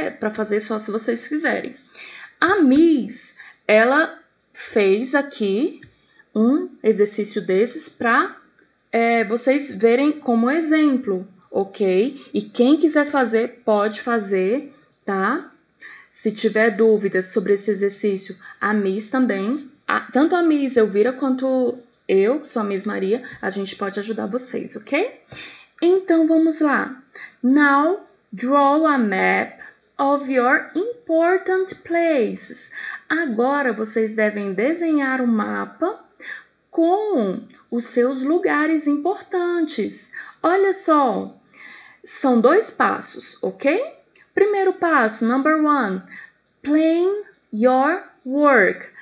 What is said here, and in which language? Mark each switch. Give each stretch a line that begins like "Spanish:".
Portuguese: É para fazer só se vocês quiserem. A Miss, ela fez aqui um exercício desses para vocês verem como exemplo, ok? E quem quiser fazer, pode fazer, tá? Se tiver dúvidas sobre esse exercício, a Miss também... Tanto a Miss Elvira quanto eu, que sou a Miss Maria, a gente pode ajudar vocês, ok? Então, vamos lá.
English: Now, draw a map of your important places.
Portuguese: Agora, vocês devem desenhar um mapa com os seus lugares importantes. Olha só, são dois passos, ok? Primeiro passo,
English: number one, plan your work.